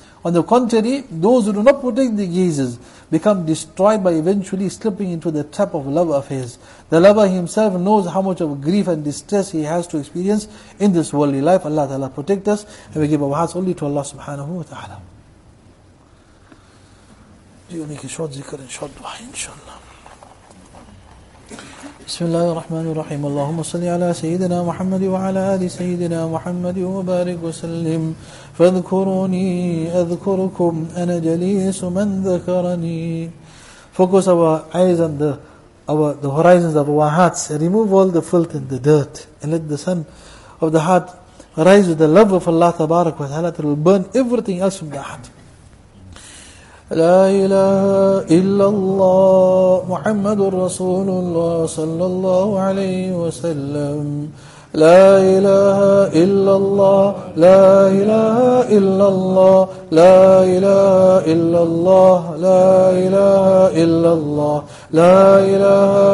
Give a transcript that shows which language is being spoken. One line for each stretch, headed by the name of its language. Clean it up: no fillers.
English: On the contrary, those who do not protect the gazes become destroyed by eventually slipping into the trap of love affairs. The lover himself knows how much of grief and distress he has to experience in this worldly life. Allah ta'ala protect us, and we give our hearts only to Allah subhanahu wa ta'ala. Do you make a short zikr and short dua, inshallah?
Arabic: بسم الله الرحمن الرحيم اللهم صل على سيدنا محمد وعلى آل سيدنا محمد وبارك وسلم فاذكروني أذكركم أنا جليس من ذكرني.
English: Focus our eyes on the horizons of our hearts. Remove all the filth and the dirt and let the sun of the heart rise with the love of Allah
Arabic: تبارك وتعالى.
English: It will burn everything else from the heart.
Arabic: لا إله إلا الله محمد رسول الله صلى الله عليه وسلم لا إله إلا الله لا إله إلا الله لا إله إلا الله لا إله إلا الله لا إله